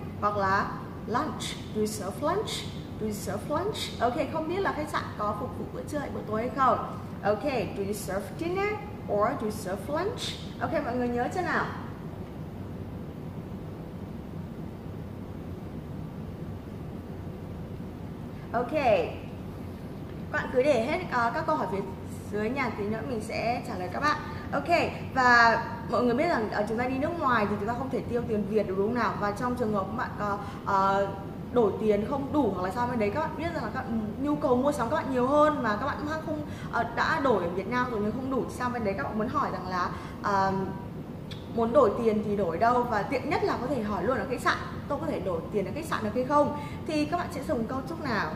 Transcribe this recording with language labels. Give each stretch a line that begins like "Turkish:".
English: Hoặc là lunch, do you serve lunch?
Vietnamese: Ok, không biết là khách sạn có phục vụ bữa trưa hay bữa tối hay không?
English: Ok, do you serve dinner or do you serve lunch?
Vietnamese: Ok, mọi người nhớ chưa nào? Ok, các bạn cứ để hết các câu hỏi phía dưới nhà, tí nữa mình sẽ trả lời các bạn. Ok, và mọi người biết rằng chúng ta đi nước ngoài thì chúng ta không thể tiêu tiền Việt được, đúng nào? Và trong trường hợp các bạn đổi tiền không đủ hoặc là sao bên đấy, các bạn biết rằng là các bạn nhu cầu mua sắm các bạn nhiều hơn mà các bạn không đã đổi ở Việt Nam rồi nhưng không đủ, sao bên đấy các bạn muốn hỏi rằng là muốn đổi tiền thì đổi đâu, và tiện nhất là có thể hỏi luôn ở khách sạn, tôi có thể đổi tiền ở khách sạn được hay không, thì các bạn sẽ dùng câu trúc nào?